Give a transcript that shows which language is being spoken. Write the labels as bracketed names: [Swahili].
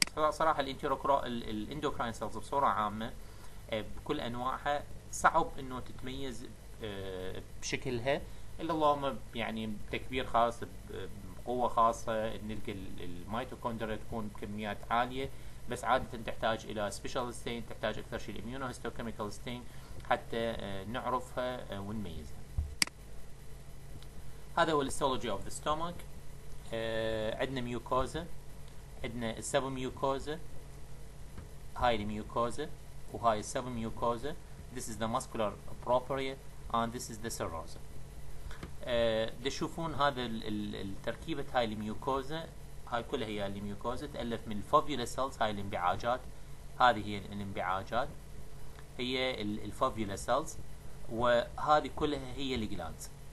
[Arabic] صراحة الاندوكراين cells بصورة عامة بكل أنواعها صعب انه تتميز بشكلها الا اللهم يعني بتكبير خاص بقوه خاصه نلقى الميتوكوندريا تكون بكميات عاليه، بس عاده تحتاج الى سبيشال ستين، تحتاج اكثر شيء الاميونو هيستوكيميكال ستين حتى نعرفها ونميزها. هذا هو الهيستولوجي اوف ذا ستومك. عندنا ميوكوزا، عندنا السب ميوكوزا، هاي الميوكوزا وهاي السب ميوكوزا. [English] This is the muscular propria and this is the serosa. [Arabic] تشوفون هذا التركيبة هاي الميوكوزا، هاي كلها هي الميوكوزا تألف من الفافيولا سيلز، هاي الانبعاجات، هذه هي الانبعاجات، هي الفافيولا سيلز، وهذه كلها هي الجلاندز.